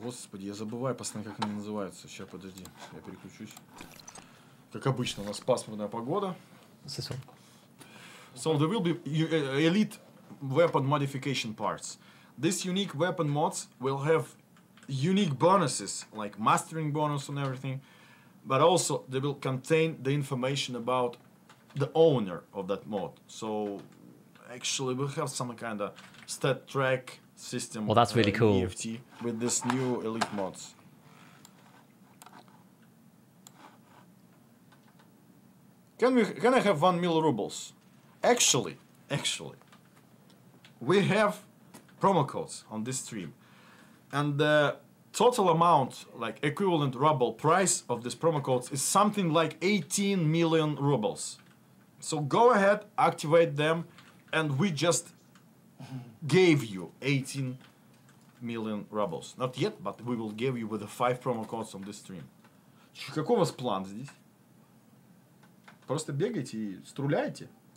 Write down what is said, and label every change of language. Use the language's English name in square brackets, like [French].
[Russian] Господи, я забываю постоянно, как они называются. Сейчас подожди, я переключусь. Как обычно, у нас пасмурная погода. [English] So there will be elite weapon modification parts. These unique weapon mods will have unique bonuses, like mastering bonus and everything. But also, they will contain the information about the owner of that mod. So, actually, we'll have some kind of stat track system. Well, that's really cool. EFT with this new elite mods. Can I have 1,000,000 rubles? Actually, we have promo codes on this stream. And the total amount, like equivalent ruble price of this promo codes is something like 18,000,000 rubles. So go ahead, activate them, and we just gave you 18,000,000 rubles. Not yet, but we will give you with the 5 promo codes on this stream. [Russian] Какой у вас план здесь? Просто бегайте и струляйте.